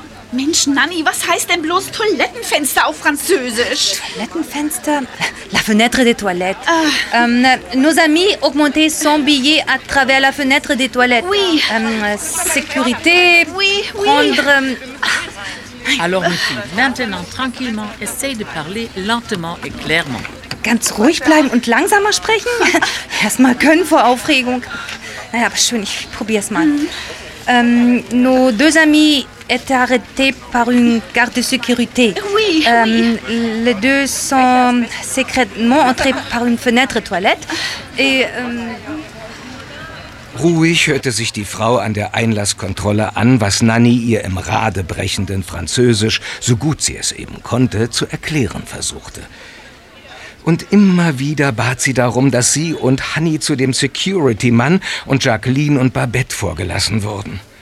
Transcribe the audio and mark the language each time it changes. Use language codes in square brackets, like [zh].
[de] Mensch, Nanni, was heißt denn bloß Toilettenfenster auf Französisch? Toilettenfenster? [fr] La fenêtre des toilettes. Nos amis augmentaient son billet à travers la fenêtre des toilettes. Oui. Sécurité. Oui, oui. Prendre... Alors, monsieur, maintenant, tranquillement, essaye de parler lentement et clairement. [de] Ganz ruhig bleiben und langsamer sprechen? Erstmal können vor Aufregung. Naja, aber schön, ich probier's mal. [fr] Nos deux amis étaient arrêtés par une garde de sécurité. Oui. Les deux sont secrètement entrés par une fenêtre toilette. Et, [de] Ruhig hörte sich die Frau an der Einlasskontrolle an, was Nanni ihr im radebrechenden Französisch, so gut sie es eben konnte, zu erklären versuchte. Und immer wieder bat sie darum, dass sie und Hanni zu dem Security-Mann und Jacqueline und Babette vorgelassen wurden.